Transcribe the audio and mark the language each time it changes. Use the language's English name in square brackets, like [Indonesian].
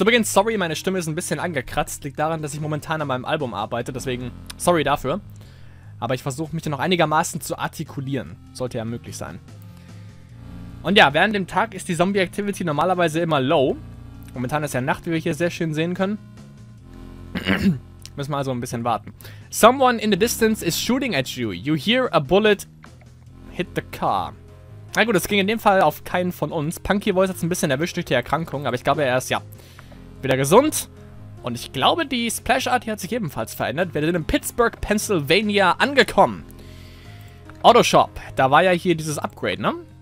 [German] Übrigens, sorry, meine Stimme ist ein bisschen angekratzt. Liegt daran, dass ich momentan an meinem Album arbeite. Deswegen, sorry dafür. Aber ich versuche, mich dann noch einigermaßen zu artikulieren. Sollte ja möglich sein. Und ja, während dem Tag ist die Zombie-Activity normalerweise immer Low. Momentan ist ja Nacht, wie wir hier sehr schön sehen können. Müssen wir also ein bisschen warten. [English] Someone in the distance is shooting at you. You hear a bullet hit the car. [German] Na gut, es ging in dem Fall auf keinen von uns. Punky Voice hat es ein bisschen erwischt durch die Erkrankung, aber ich glaube, er ist, ja, wieder gesund. Und ich glaube, die Splash-Art hier hat sich ebenfalls verändert. Wir sind in Pittsburgh, Pennsylvania angekommen. Autoshop, da war ja hier dieses Upgrade, ne?